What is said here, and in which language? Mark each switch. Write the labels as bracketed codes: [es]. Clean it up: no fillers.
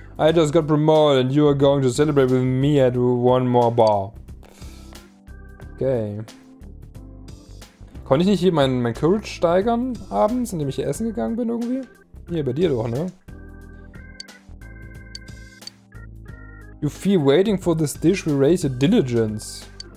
[en] I just got promoted and you are going to celebrate with me at one more bar. Okay. [de] Konnte ich nicht hier mein Courage steigern abends, indem ich hier essen gegangen bin irgendwie? Hier, ja, bei dir doch, ne? [en] You feel waiting for this dish will raise your diligence.